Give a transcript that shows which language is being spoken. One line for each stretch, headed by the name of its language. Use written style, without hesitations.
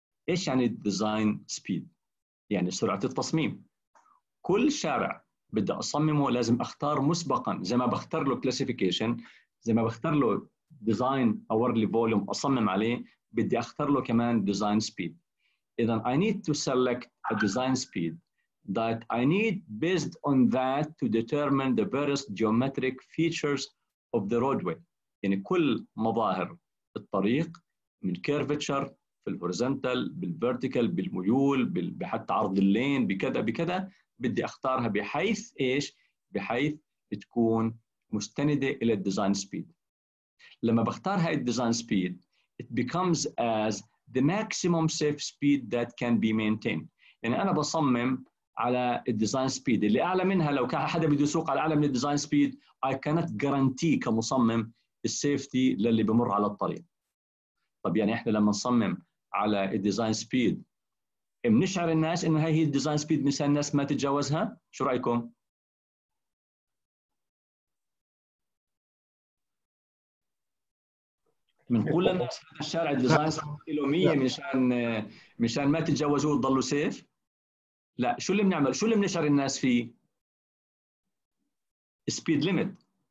Arabic: إيش يعني الديزاين سبيد؟ يعني سرعة التصميم. كل شارع بدي أصممه لازم أختار مسبقاً، زي ما بختار له كلاسيفيكيشن، زي ما بختار له ديزاين أورلي فوليوم أصمم عليه، بدي أختار له كمان ديزاين سبيد. إذن
English: I need to select a design speed that I need based on that to determine the various geometric features of the roadway.
Arabic: يعني كل مظاهر الطريق من كيرفتشر في الهوريزنتال بالفيرتيكال بالميول بحتى عرض اللين بكذا بكذا، بدي اختارها بحيث ايش؟ بحيث تكون مستنده الى الديزاين سبيد. لما بختار هاي الديزاين سبيد
English: it becomes as the maximum safe speed that can be maintained.
Arabic: يعني انا بصمم على الديزاين سبيد اللي اعلى منها، لو كان حدا بده يسوق على اعلى من الديزاين سبيد
English: I cannot guarantee
Arabic: كمصمم السيفتي للي بمر على الطريق. طب يعني احنا لما نصمم على الديزاين سبيد بنشعر الناس انه هي الديزاين سبيد مثلا الناس ما تتجاوزها؟ شو رايكم؟ بنقول للناس هذا الشارع الديزاين سبيد له 100 مشان ما تتجاوزوه وتضلوا سيف؟ لا، شو اللي بنعمل؟ شو اللي بنشعر الناس فيه؟ سبيد ليميت.